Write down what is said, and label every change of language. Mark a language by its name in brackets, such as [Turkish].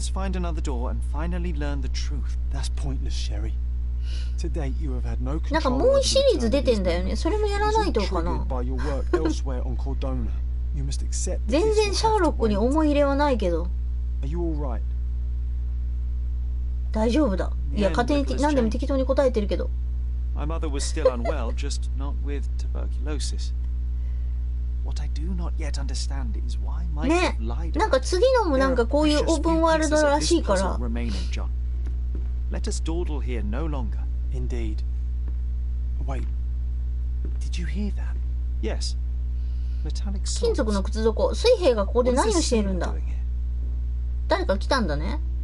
[Japanese] いや、何かもうシリーズ出てんだよね。それもやらないとかな。全然シャーロックに思い入れはないけど。 [English] Are you all right? [Japanese] 大丈夫だ。いや、勝手に何でも適当に答えてるけど。 [English] My mother was still unwell, just not with tuberculosis. What I do not yet understand is why Mike lied about it. [Japanese] なんか次のもなんかこういうオープンワールドらしいから。 [English] Let us dawdle here no longer. Indeed. Wait. Did you hear that? Yes. Metallic swords. [Japanese] 金属の靴底。水兵がここで何をしているんだ。誰か来たんだね。